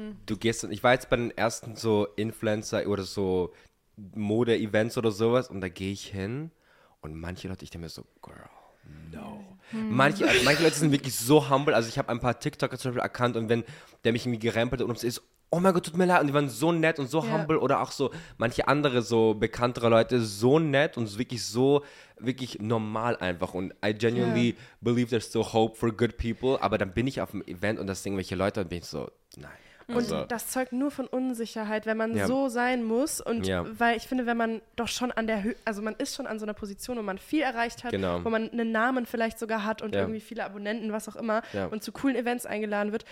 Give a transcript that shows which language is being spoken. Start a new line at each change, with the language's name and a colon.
German: Du gehst, ich war jetzt bei den ersten so Influencer oder so Mode-Events oder sowas und da gehe ich hin und manche Leute, ich denke mir so,
English: girl, no.
German: Manche Leute sind wirklich so humble, also ich habe ein paar TikToker zum Beispiel erkannt und wenn der mich irgendwie gerempelt und ums ist, oh mein Gott, tut mir leid. Und die waren so nett und so humble. Oder auch so manche andere, so bekanntere Leute, so nett und wirklich so, wirklich normal einfach.
English: Und I genuinely believe there's still hope for good people.
German: Aber dann bin ich auf dem Event und das sind irgendwelche Leute und bin ich so, nein. Und das zeugt nur von Unsicherheit, wenn man so sein muss. Und weil ich finde, wenn man doch schon an der Höhe, also man ist schon an so einer Position, wo man viel erreicht hat, wo man einen Namen vielleicht sogar hat und irgendwie viele Abonnenten, was auch immer, und zu coolen Events eingeladen wird.